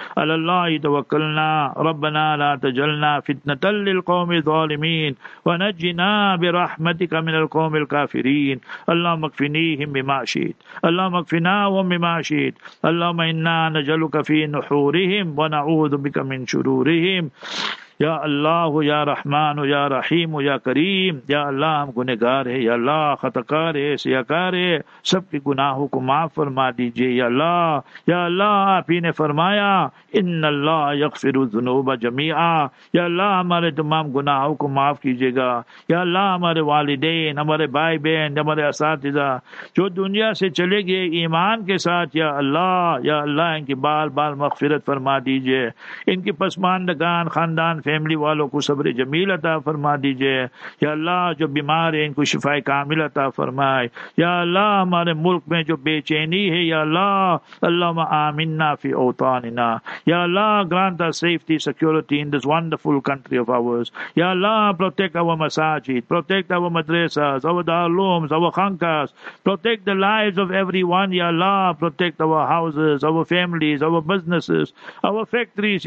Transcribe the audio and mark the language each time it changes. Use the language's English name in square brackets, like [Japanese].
[Arabic] على الله توكلنا. ربنا لا تجعلنا فتنة للقوم الظالمين ونجنا برحمتك من القوم الكافرين. اللهم اكفنيهم بما شئت. اللهم اكفناهم بما شئت. اللهم إنا نجلك في نحورهم ونعوذ بك من شرورهم. [Urdu] یا اللہ یا رحمان یا رحیم یا کریم. یا اللہ ہم گنہگار ہیں. یا اللہ خطاکار ہیں سیاکار ہیں. سب کی گناہوں کو معاف فرما دیجئے. یا اللہ یا اللہ آپ ہی نے فرمایا [Arabic] ان اللہ یغفر الذنوب جمیعا. [Urdu] یا اللہ ہمارے تمام گناہوں کو معاف کیجئے گا. یا اللہ ہمارے والدین ہمارے بھائی بہن ہمارے اساتذہ جو دنیا سے چلے گئے ایمان کے ساتھ. یا اللہ یا اللہ ان کی بال بال مغفرت فرما دیجئے. ان کی پسماندگان خاندان فیملی والوں کو صبر جمیل عطا فرما دیجئے. یا اللہ جو بیمار ہیں ان کو شفا کامل عطا فرمائے. یا اللہ ہمارے ملک میں جو بے چینی ہے. [Arabic] یا اللہ اللہم آمنا فی اوطاننا. [English] یا اللہ grant us safety security in this wonderful country of ours. یا اللہ protect our masajid, protect our madrasas, our darlooms, our khankas, protect the lives of everyone. یا اللہ protect our houses, our families, our businesses, our factories.